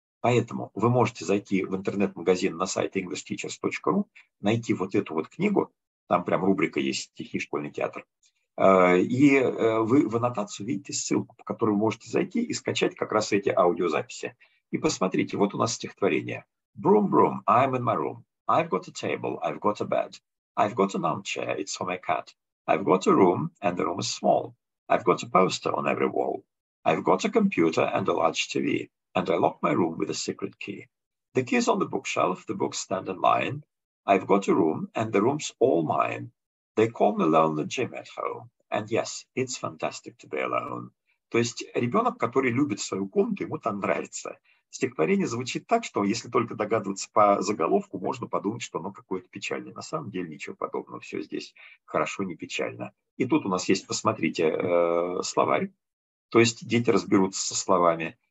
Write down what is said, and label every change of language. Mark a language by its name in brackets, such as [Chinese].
[Russian] Поэтому вы можете зайти в интернет-магазин на сайт englishteachers.ru, найти вот эту вот книгу, там прям рубрика есть «Стихи, школьный театр», и вы в аннотацию видите ссылку, по которой вы можете зайти и скачать как раз эти аудиозаписи. И посмотрите, вот у нас стихотворение. [English] Broom, broom, I'm in my room. I've got a table, I've got a bed. I've got an armchair, it's for my cat. I've got a room, and the room is small. I've got a poster on every wall. I've got a computer and a large TV. And I lock my room with a secret key. The key's on the bookshelf, the books stand in line. I've got a room, and the room's all mine. They call me Lonely Jim at home. And yes, it's fantastic to be alone. [Russian] То есть ребенок, который любит свою комнату, ему там нравится. Стихотворение звучит так, что если только догадываться по заголовку, можно подумать, что оно какое-то печальное. На самом деле ничего подобного, все здесь хорошо, не печально. И тут у нас есть, посмотрите, словарь. То есть дети разберутся со словами.